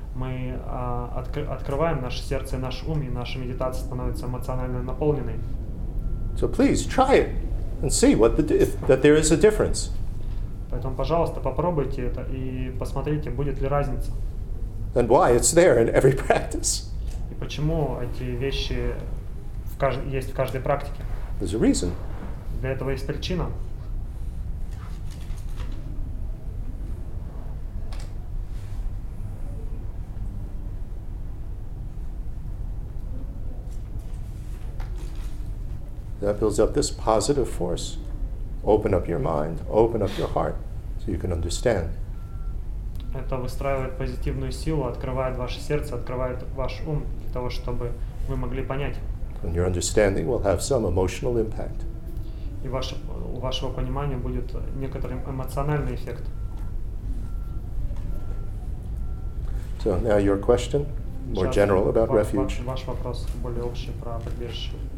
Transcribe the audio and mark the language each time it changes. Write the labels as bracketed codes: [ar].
[ru] Мы открываем наше сердце и наш ум, и наша медитация становится эмоционально наполненной. [en] So please try it and see what the that there is a difference. [ru] Поэтому, пожалуйста, попробуйте это и посмотрите, будет ли разница. [en] And why it's there in every practice. [ru] И почему эти вещи есть в каждой практике. [en] There's a reason. [ru] Для этого есть причина. [en] That builds up this positive force. Open up your mind, open up your heart, so you can understand. [ru] Это выстраивает позитивную силу, открывает ваше сердце, открывает ваш ум для того, чтобы вы могли понять. [en] And your understanding will have some emotional impact. [ru] И у вашего понимания будет некоторый эмоциональный эффект. [en] So now your question, more general about refuge. [ru] Ваш вопрос более общий про прибежище.